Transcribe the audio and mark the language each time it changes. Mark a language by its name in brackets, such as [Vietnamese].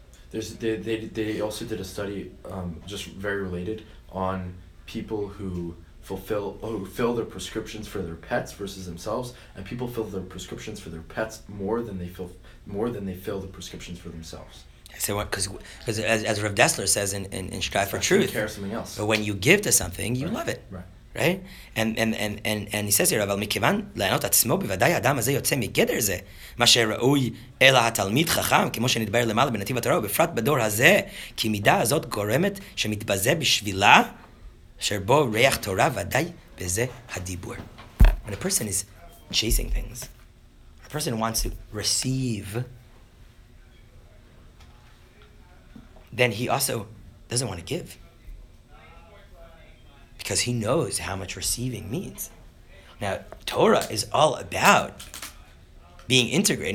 [English] They also did a study, just very related, on people who fill their prescriptions for their pets versus themselves, and people fill their prescriptions for their pets more than they fill the prescriptions for themselves. I say what? Because as Rav Dessler says in Strive for Truth, care of something else. But when you give to something, you right. love it. Right. Right? [Hebrew] And he says here, אבל מכיוון לענות עצמו בוודאי האדם הזה יוצא מגדר זה, מה שראוי אלא התלמיד חכם, כמו שנדבר למעלה בנתיב התורה, ובפרט בדור הזה, כי מידה הזאת גורמת שמתבזה בשבילה, שבו ריח תורה ודאי בזה הדיבור. [English] When a person is chasing things, a person wants to receive, then he also doesn't want to give. Because he knows how much receiving means. Now, Torah is all about being integrated.